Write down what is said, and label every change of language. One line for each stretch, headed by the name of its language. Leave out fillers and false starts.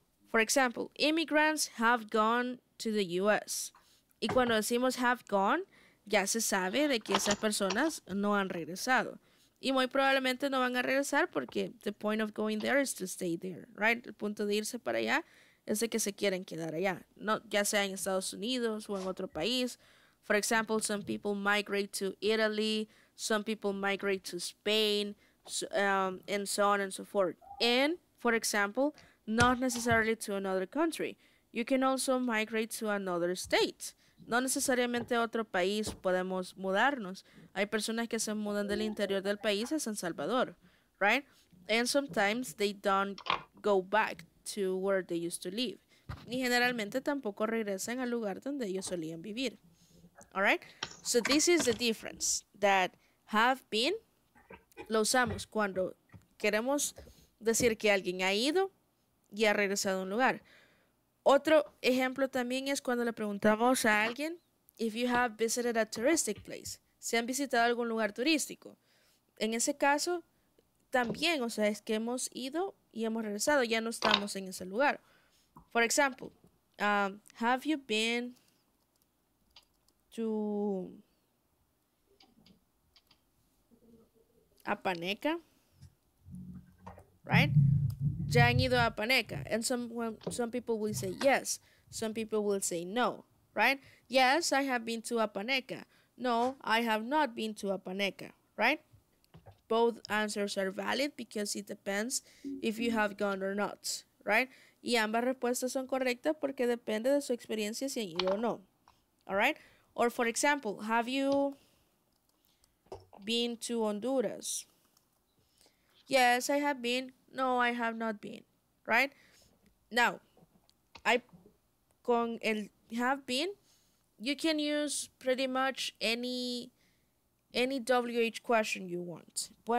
English: For example, immigrants have gone to the US.
Spanish: Y cuando decimos
English: have gone,
Spanish: ya se sabe de que esas personas no han regresado. Y muy probablemente no van a regresar porque
English: the point of going there is to stay there, right?
Spanish: El punto de irse para allá es de que se quieren quedar allá. No, ya sea en Estados Unidos o en otro país.
English: For example, some people migrate to Italy. Some people migrate to Spain. And so on and so forth. And, for example, not necessarily to another country. You can also migrate to another state.
Spanish: No necesariamente a otro país podemos mudarnos. Hay personas que se mudan del interior del país a San Salvador, right?
English: And sometimes they don't go back to where they used to live.
Spanish: Y generalmente tampoco regresan al lugar donde ellos solían vivir.
English: All right? So this is the difference that have been
Spanish: lo usamos cuando queremos decir que alguien ha ido y ha regresado a un lugar. Otro ejemplo también es cuando le preguntamos a alguien
English: if you have visited a touristic place.
Spanish: Si han visitado algún lugar turístico. En ese caso, también, o sea, es que hemos ido y hemos regresado. Ya no estamos en ese lugar.
English: For example, have you been to Apaneca? Right?
Spanish: ¿Ya han ido a Apaneca?
English: And some people will say yes. Some people will say no. Right? Yes, I have been to Apaneca. No, I have not been to Apaneca. Right? Both answers are valid because it depends if you have gone or not. Right?
Spanish: Y ambas respuestas son correctas porque depende de su experiencia si han ido o no.
English: All right. Or for example, have you been to Honduras? Yes, I have been. No, I have not been. Right? Now,
Spanish: con el
English: have been, you can use pretty much any WH question you want.